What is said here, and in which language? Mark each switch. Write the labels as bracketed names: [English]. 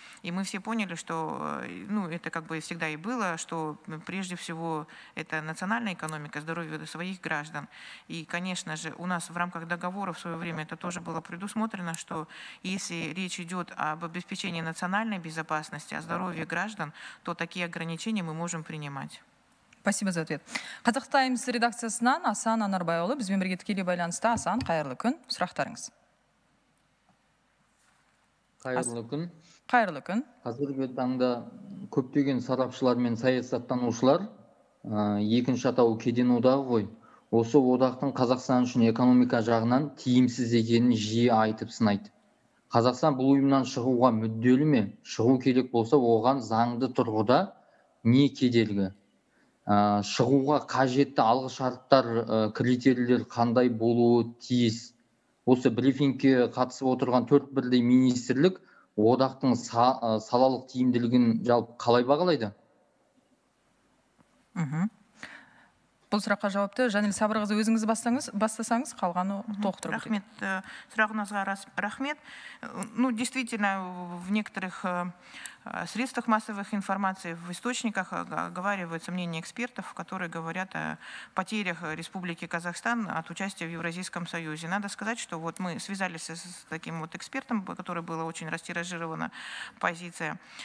[Russian] И мы все поняли, что, ну, это как бы всегда и было, что прежде всего это национальная экономика, здоровье своих граждан. И, конечно же, у нас в рамках договора в свое время это тоже было предусмотрено, что если речь идет об обеспечении национальной безопасности, о здоровье граждан, то такие ограничения мы можем принимать. Спасибо за ответ. [Kazakh] Қазақ Таймс редакциясынан Асан Анарбайұлы бізбен бірге тікелей байланыста. Асан, қайырлы күн. Сұрақтарыңыз. Қайырлы күн. Қайырлы күн. Қазіргі таңда көптеген сарапшылар мен саясаттанушылар екінші атауы кеден одағы ғой. Осы одақтың Қазақстан үшін экономика жағынан тиімсіз екенін жиі айтып сынайды. Қазақстан бұл ұйымнан шығуға мүдделі ме? Шығу керек болса, оған заңды тұрғыда не кедергі? Шығуға қажетті алғы шарттар, критерийлер қандай болуы тиіс? Осы брифингке қатысып отырған 4 бірдей министрлік одақтың салалық тиімділігін жалпы қалай бағалайды? Бұл сұраққа жауапты Жанел Сабырқызы өзіңіз бастасаңыз, қалғаны толықтырып. Рахмет. Сұрағыңызға рахмет. [Russian] Ну, действительно, в некоторых средствах массовых информации, в источниках оговариваются мнения экспертов, которые говорят о потерях Республики Казахстан от участия в Евразийском Союзе. Надо сказать, что вот мы связались с таким вот экспертом, у которого была очень растиражирована позиция.